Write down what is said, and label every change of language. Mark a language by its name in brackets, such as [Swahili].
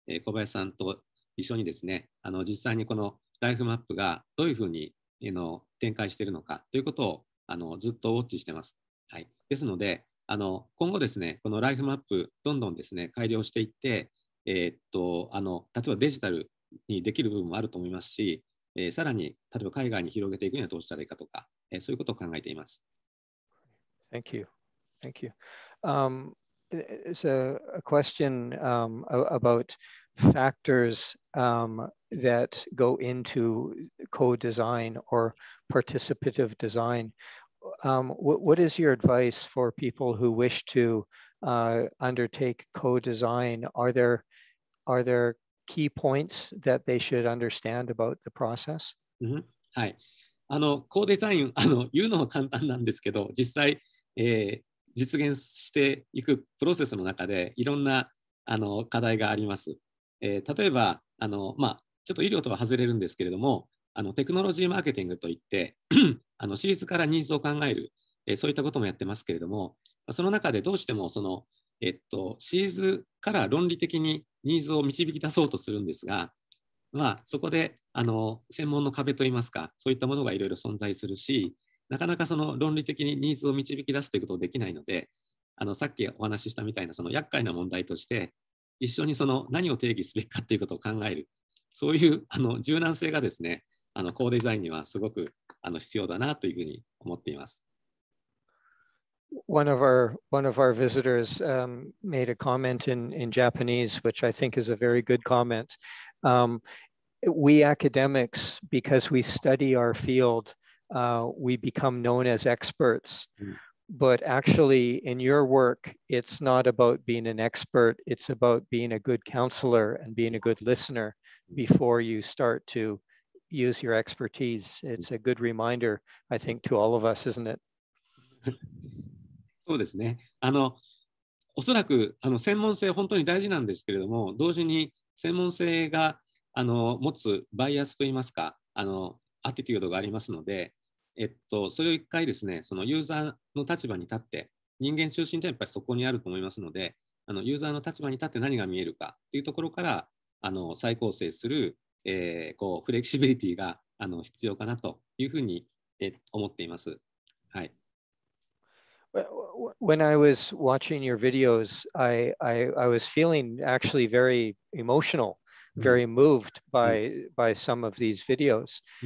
[Japanese] 小林さんと一緒にですね、あの実際にこのライフマップがどういうふうにあの展開しているのかということをあのずっとウォッチしてます、はい、ですのであの今後ですねこのライフマップどんどんですね改良していって、あの例えばデジタルにできる部分もあると思いますし、さらに例えば海外に広げていくにはどうしたらいいかとか、そういうことを考えています。 [English] Thank you. Thank you. It's a question about factors that go into co-design or participative design. What is your advice for people who wish to undertake co-design? Are there key points that they should understand about the process? [Japanese] はい。あの、co-design、あの、言うのは簡単なんですけど、実際、実現していくプロセスの中でいろんなあの課題があります。例えばあの、まあ、ちょっと医療とは外れるんですけれども、あのテクノロジーマーケティングといってあのシーズからニーズを考える、そういったこともやってますけれども、その中でどうしてもその、シーズから論理的にニーズを導き出そうとするんですが、まあ、そこであの専門の壁といいますか、そういったものがいろいろ存在するし、なかなかその論理的にニーズを導き出すということができないので、あのさっきお話ししたみたいなその厄介な問題として、一緒にその何を定義すべきかということを考える、そういうあの柔軟性がですね、あのコーデザインにはすごくあの必要だなというふうに思っています。 [English] One of our visitors made a comment in Japanese, which I think is a very good comment. We academics, because we study our field, we become known as experts. But actually, in your work, it's not about being an expert. It's about being a good counselor and being a good listener before you start to use your expertise. It's a good reminder, I think, to all of us, isn't it? [Japanese] そうですね。あの、おそらく、あの、専門性本当に大事なんですけれども、同時に専門性が、あの、持つバイアスといいますか、あの、アティテュードがありますので、それを一回ですね、そのユーザーの立場に立って、人間中心ってやっぱりそこにあると思いますので、あの、ユーザーの立場に立って何が見えるかというところから、あの、再構成する、こうフレキシビリティが、あの、必要かなというふうに、思っています。はい。 [English] When I was watching your videos, I was feeling actually very emotional, very moved by some of these videos.